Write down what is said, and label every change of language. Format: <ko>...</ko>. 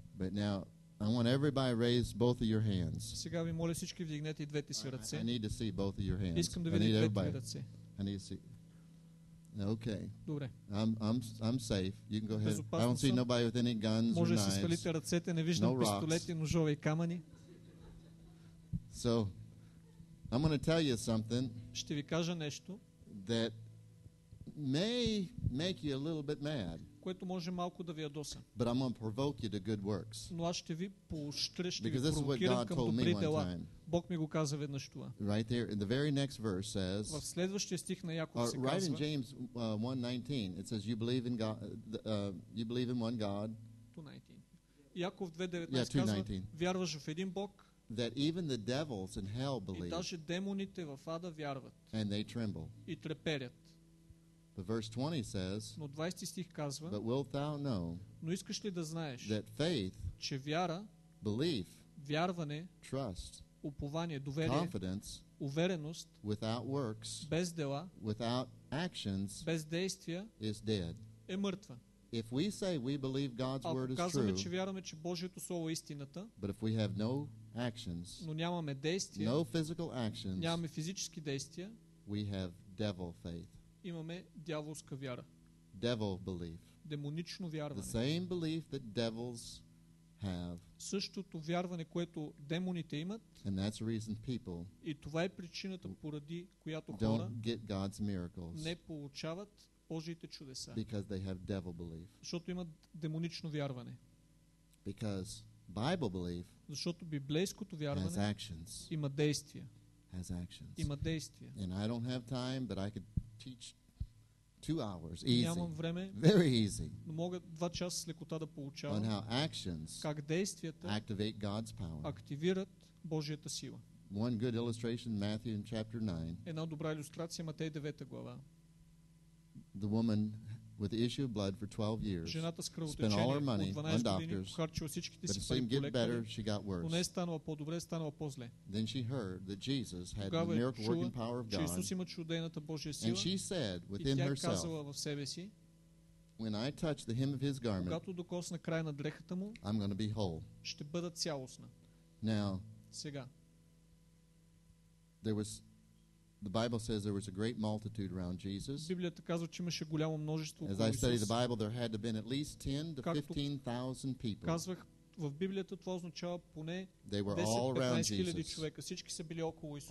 <en>But now I want everybody to raise both of your hands.</en> <bg>Сега ви моля всички вдигнете и двете си ръце.</bg> <en>I need to see both of your hands.</en> <bg>Искам да видя двете ви ръце.</bg> <en>I need to see. Okay.</en> <bg>Добре.</bg> <en>I'm safe. You can go ahead. I don't see</en> <bg>съм.</bg> <en>Nobody with any guns</en> <bg>Може да си свалите ръцете, не виждам</bg> <en>no</en> <bg>пистолети, ножове и камъни.</bg> <en>So, I'm going to tell you something.</en> <bg>Ще ви кажа нещо.</bg> <en>That may make you a little bit mad.</en> <bg>Което може малко да ви ядоса.</bg> <en>But I'm going to provoke you to good works.</en> <bg>Но аз ще ви поощря, ще</bg> <en>because</en> <bg>ви провокирам към добри дела. Бог ми го каза веднъж това.</bg> <en>Right there in the very next verse says.</en> <bg>В следващия стих на Яков се казва.</bg> <en>Right in James 1:19 it says you believe in God you believe in one God. 2:19.</en> <bg>Яков 2:19 казва вярваш в един Бог.</bg> <en>That even the devils in hell believe.</en> <bg>И даже демоните в ада вярват.</bg> <en>And they tremble.</en> <bg>И треперят.</bg> <en>The verse 20 says.</en> <bg>Но 20 стих казва.</bg> <en>But wilt thou know.</en> <bg>Но искаш ли да знаеш.</bg> <en>That faith.</en> <bg>Че вяра.</bg> <en>Belief.</en> <bg>Вярване.</bg> <en>Trust.</en> <bg>Упование, доверие,</bg> <en>confidence,</en> <bg>увереност,</bg> <en>without works,</en> <bg>без дела,</bg> <en>without actions,</en> <bg>без действия,</bg> <en>is dead.</en> <bg>Е мъртва.</bg> <en>If we say we believe God's word is true,</en> <bg>ако казваме, че вярваме, че Божието слово е истината,</bg> <en>but if we have no actions,</en> <bg>но нямаме действия,</bg> <en>no physical actions,</en> <bg>нямаме физически действия,</bg> <en>we have devil faith.</en> <bg>имаме дяволска вяра.</bg> <en>Devil belief.</en> <bg>Демонично вярване.</bg> <en>The same belief that devils have.</en> <bg>Същото вярване, което демоните имат.</bg> <en>And that's the reason people.</en> <bg>И това е причината, поради която хора</bg> <en>don't get God's miracles.</en> <bg>Не получават Божиите чудеса.</bg> <en>Because they have devil belief.</en> <bg>Защото имат демонично вярване.</bg> <en>Because Bible belief.</en> <bg>Защото библейското вярване</bg> <en>has actions.</en> <bg>Има действия.</bg> <en>Has actions.</en> <bg>Има действия.</bg> <en>And I don't have time, but I could teach 2 hours easy.</en> <bg>Нямам време.</bg> <en>Very easy.</en> <bg>Но мога 2 часа с лекота да получавам.</bg> <en>On how actions</en> <bg>как действията</bg> <en>activate God's power.</en> <bg>Активират Божията сила.</bg> <en>One good illustration, Matthew in chapter 9.</en> <bg>Една добра илюстрация, Матей 9 глава.</bg> <en>The woman with the issue of blood for 12 years.</en> <bg>Жената с кръвотечение,</bg> <en>spent all her money on doctors.</en> <bg>Харчила всичките си пари.</bg> <en>But it seemed get better, she got worse.</en> <bg>Не станала по-добре, станала по-зле.</bg> <en>Then she heard that Jesus had the miracle working power of God.</en> <bg>Исус има чудената Божия сила.</bg> <en>And she said within herself.</en> <bg>И тя казала в себе си.</bg> <en>When I touch the hem of his garment.</en> <bg>Когато докосна края на дрехата му.</bg> <en>I'm going to be whole.</en> <bg>Ще бъда цялостна.</bg> <en>Now.</en> <bg>Сега.</bg> <en>There was The Bible says there was a great multitude around Jesus.</en> <bg>Библията казва, че имаше голямо множество около</bg> <en>Исус. As I study the Bible, there had to have been at least 10,000 to 15,000 people.</en> <bg>Казвах, в Библията това означава поне</bg> <en>10,000 to 15,000</en> <bg>човека. Всички са били около Исус.</bg>